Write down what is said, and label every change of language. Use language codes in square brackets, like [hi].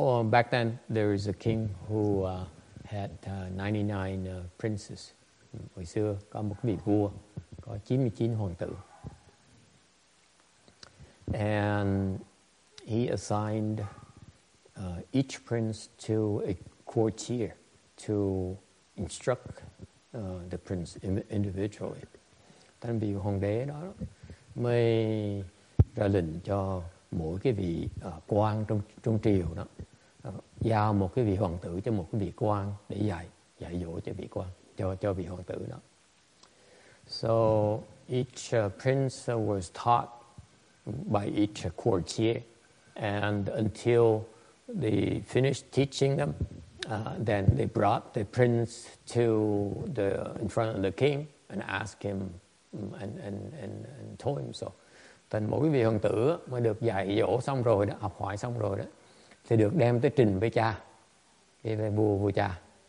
[en] Back then there is a king who had 99 princes. [vi] Hồi xưa có một vị vua có 99 hoàng tử. [en] And he assigned each prince to a courtier to instruct the prince individually. [vi] Tân vị hoàng đế đó mới ra lệnh cho mỗi cái vị quan trong triều đó giao một cái vị hoàng tử cho một cái vị quan để dạy dỗ cho vị quan cho vị hoàng tử đó. [en] So each prince was taught by each courtier, and until they finished teaching them, then they brought the prince to the in front of the king and asked him and told him so. [vi] Thành mỗi vị hoàng tử mà được dạy dỗ xong rồi đó, học hỏi xong rồi đó, thì được đem tới trình với cha, với vua cha.